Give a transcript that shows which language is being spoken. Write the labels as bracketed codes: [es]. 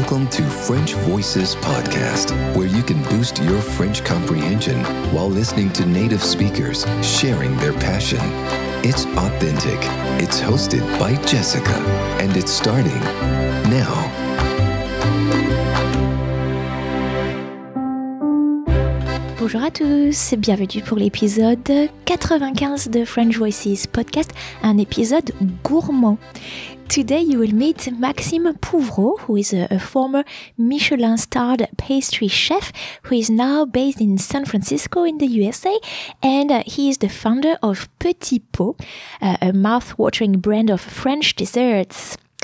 [en] to French Voices Podcast, where you can boost your French comprehension while listening to native speakers sharing their passion. It's authentic. It's hosted by Jessica, and it's starting now. [fr] Bonjour à tous, bienvenue pour l'épisode 95 de French Voices Podcast, un épisode gourmand. [en] Today you will meet Maxime Pouvreau, who is a former Michelin-starred pastry chef, who is now based in San Francisco in the USA, and he is the founder of Petit Pot, a mouth-watering brand of French desserts.